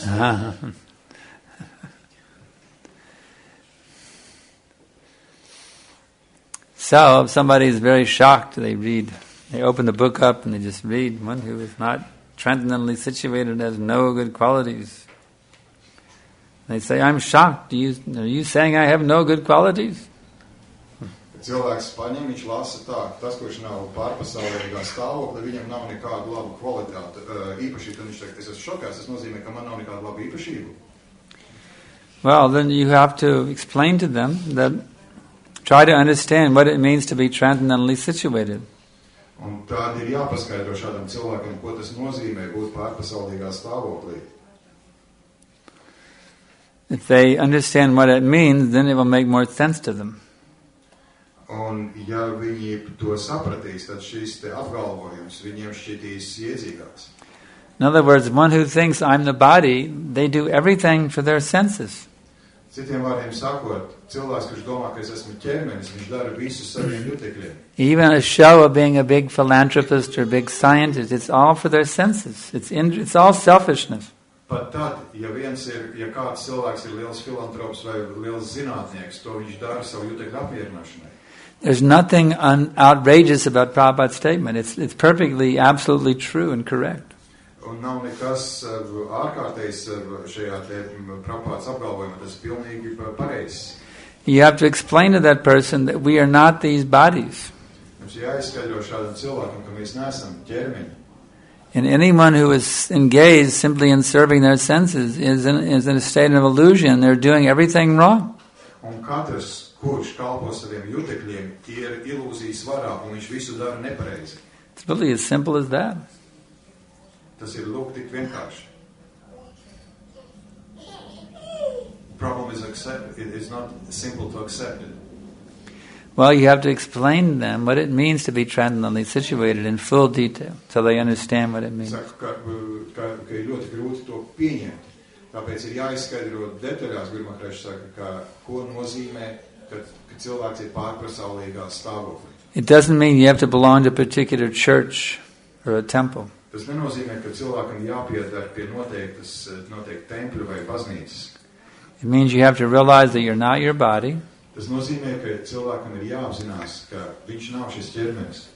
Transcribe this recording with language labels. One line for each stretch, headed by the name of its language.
English: statement? So if somebody is very shocked, they read. They open the book up and they just read, one who is not transcendentally situated has no good qualities. They say, I'm shocked. Are you saying I have no good qualities?
Latvian: Cilvēks paņem, viņš lasa tā, tas, kurš nav pārpasaulīgā stāvokļa, viņam nav nekādu labu kvalitātu īpašību. Un viņš saka, es esmu šokās, tas nozīmē, ka man nav nekādu labu īpašību.
English: Well, then you have to explain to them that try to understand what it means to be transcendentally situated.
Latvian: Un tad ir jāpaskaidro šādam cilvēkam, ko tas nozīmē būt pārpasaulīgā stāvoklī.
English: If they understand what it means, then it will make more sense to them.
Latvian: Un ja viņi to sapratīs, tad šis te apgalvojums viņiem šķitīs iedzīgāks.
English: In other words, one who thinks I'm the body, they do everything for their senses.
Latvian: Citiem vārdiem sakot, cilvēks, kurš domā, ka es esmu ķermenis, viņš dara visu saviem jutekļiem.
English: Even a show of being a big philanthropist or a big scientist, it's all for their senses. It's all selfishness.
Latvian: Pat tad, ja viens ir, ja kāds cilvēks ir liels filantrops vai liels zinātnieks, to viņš dara savu jutekļu apvienošanai.
English: There's nothing outrageous about Prabhupāda's statement. It's perfectly, absolutely true and correct.
Latvian: Un nav nekas ārkārtējs šajā te Prabhupāda apgalvojumā, tas pilnīgi pareizs.
English: You have to explain to that person that we are not these bodies.
Latvian: Mums jāizskaidro šādam cilvēkam, ka mēs neesam ķermeņi.
English: And anyone who is engaged simply in serving their senses is in a state of illusion. They're doing everything wrong.
Latvian: Un katrs, kurš kalpo saviem jutekļiem, ir ilūzijas varā, un viņš visu dara nepareizi.
English: It's really as simple as that.
Latvian: Tas ir lūk tik vienkārši.
English: Problem is accepted. It is not simple to accept it. Well, you have to explain to them what it means to be transcendentally situated in full detail so they understand what it means.
Latvian: Saka, ka ir ļoti grūti to pieņemt. Tāpēc ir jāizskaidro detaļās, Gurmahrašs saka, ka ko nozīmē, ka cilvēks ir pārpasaulīgā stāvoklī.
English: It doesn't mean you have to belong to a particular church or a temple.
Latvian: Tas nenozīmē, ka cilvēkam jāpiedar pie noteiktas tempļu vai baznīcas.
English: It means you have to realize that you're not your body.
Latvian: Tas nozīmē, ka cilvēkam ir jāapzinās, ka viņš nav šis ķermenis.